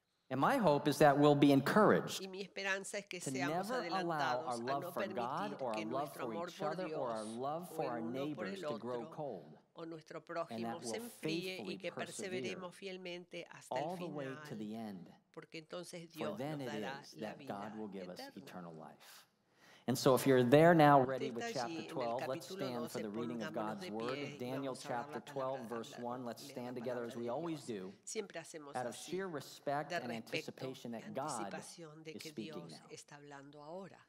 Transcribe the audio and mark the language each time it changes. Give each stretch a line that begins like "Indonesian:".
English: And my hope is that we'll be encouraged
Spanish: y mi esperanza es que seamos adelantados a no permitir que nuestro amor por Dios o el uno por el otro o nuestro prójimo se enfríe y que perseveremos fielmente hasta el final, porque entonces Dios nos dará la vida eterna.
English: And so if you're there now, ready with chapter 12, let's stand for the reading of God's word. Daniel chapter 12, verse 1, let's stand together as we always do, out of sheer respect and anticipation that God is speaking now.